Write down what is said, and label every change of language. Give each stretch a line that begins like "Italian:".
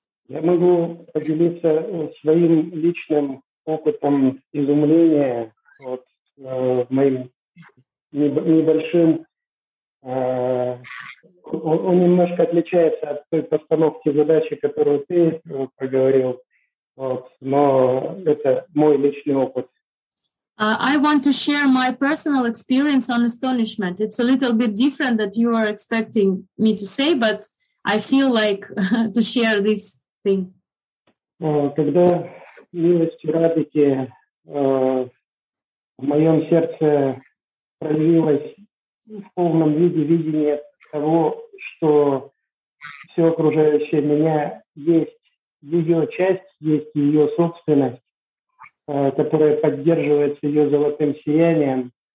Russian: Я могу поделиться своим личным опытом изумления вот моим небольшим, он немножко отличается от той постановки задачи, которую ты проговорил, вот, но это мой личный опыт.
English: I want to share my personal experience on astonishment. It's a little bit different that you are expecting me to say, but I feel like to share this thing.
Russian: Когда милостью Радхики в моем сердце проявилось в полном виде видение того, что все окружающее меня есть ее часть, есть ее собственность, которая поддерживается ее золотым сиянием.